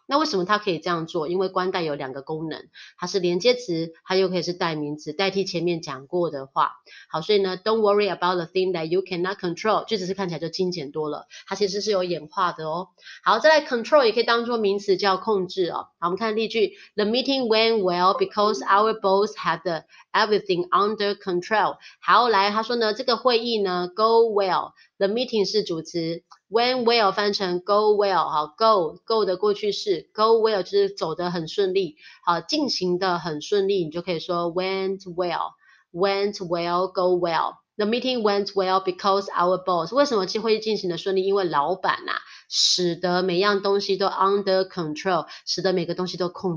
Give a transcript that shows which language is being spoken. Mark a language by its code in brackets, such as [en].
[zh] 那为什么它可以这样做？因为关带有两个功能，它是连接词，它又可以是代名词，代替前面讲过的话。好，所以呢 ， [en] Don't worry about the thing that you cannot control， [zh] 句子是看起来就精简多了，它其实是有演化的哦。好，再来 ，control 也可以当作名词叫控制哦。好，我们看例句 [en] ，The meeting went well because our boss had the everything under control。 [zh] 好，来，他说呢，这个会议呢 ，go well。The meeting 是主词 ，went well 翻成 go well， 好 ，go 的过去式 ，go well 就是走得很顺利，好，进行的很顺利，你就可以说 went well， [en] went well, go well. The meeting went well because our boss. [zh] 为什么会进行的顺利？因为老板啊，使得每样东西都 under control, 使得每个东西都控制。